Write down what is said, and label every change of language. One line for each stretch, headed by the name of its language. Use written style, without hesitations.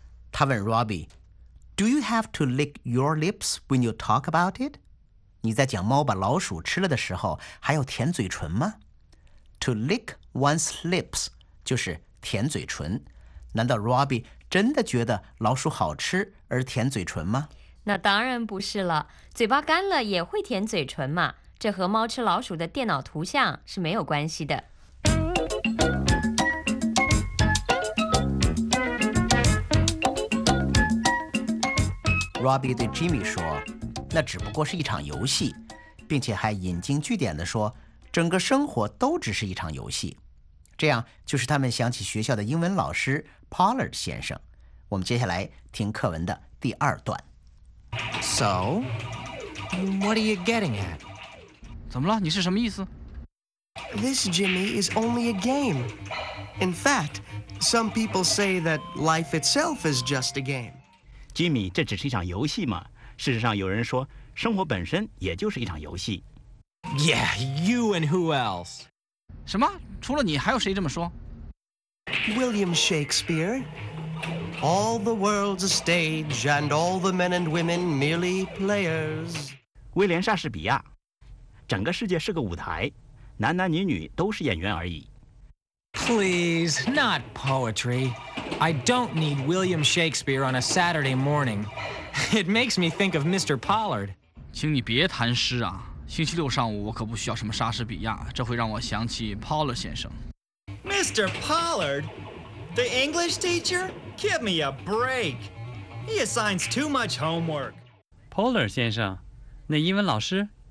Chinese: 他问
English: Robbie， Do you have to lick your lips when you talk about it？
Chinese: 你在讲猫把老鼠吃了的时候，还要舔嘴唇吗？
English: To lick one's lips
Chinese: 就是舔嘴唇。难道 Robbie 真的觉得老鼠好吃而舔嘴唇吗？那当然不是了，嘴巴干了也会舔嘴唇嘛，这和猫吃老鼠的电脑图像是没有关系的。 Robbie 对 Jimmy 说，那只不过是一场游戏，并且还引经据典地说，整个生活都只是一场游戏。这样就是他们想起学校的英文老师 Pollard 先生。我们接下来听课文的第二段。
English: So what are you getting at?
Chinese: 怎么了？你是什么意思？
English: This Jimmy is only a game. In fact, some people say that life itself is just a game.
Chinese: Jimmy, 这只是一场游戏嘛。事实上有人说生活本身也就是一场游戏。
English: Yeah, you and who else?
Chinese: 什么？除了你还有谁这么说？
English: William Shakespeare. All the world's a stage and all the men and women merely players.
Chinese: 威廉莎士比亚。整个世界是个舞台，男男女女都是演员而已。
English: Please, not poetry. I don't need William Shakespeare on a Saturday morning. It makes me think of Mr. Pollard.
Chinese: 请你别谈诗啊，星期六上午我可不需要什么莎士比亚，这会让我想起 Pollard 先生。
English: Mr. Pollard? The English teacher? Give me a break. He assigns too much homework.
Chinese: Pollard 先生，那英文老师？